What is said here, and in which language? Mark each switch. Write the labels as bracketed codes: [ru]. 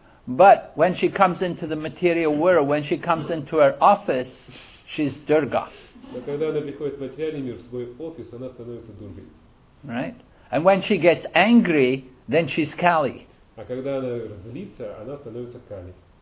[en] But when she comes into the material world, when she comes into her office, she's Durga. [ru] Но когда она приходит в материальный мир, в свой офис, она становится Дургой. [en] Right? And when she gets angry, then she's Kali. [ru] А когда она злится, она становится Кали.